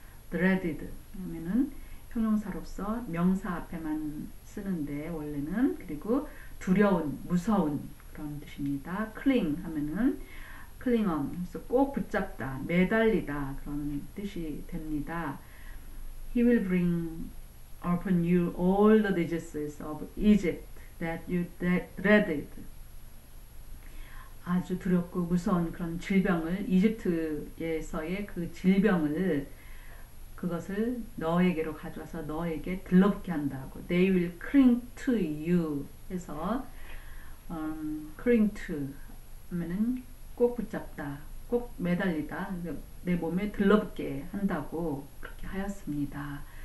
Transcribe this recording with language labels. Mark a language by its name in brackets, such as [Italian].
[Korean] dreaded 하면은 형용사로서 명사 앞에만 쓰는데 원래는 그리고 두려운, 무서운 그런 뜻입니다. cling 하면은 클링엄, 그래서 꼭 붙잡다, 매달리다 그런 뜻이 됩니다. [English] He will bring upon you all the diseases of Egypt that you dreaded. [Korean] 아주 두렵고 무서운 그런 질병을 이집트에서의 그 질병을 그것을 너에게로 가져와서 너에게 들럽게 한다고. [English] They will cling to you [Korean] 해서 cling to 하면은 꼭 붙잡다, 꼭 매달리다, 내 몸에 들러붙게 한다고 그렇게 하였습니다.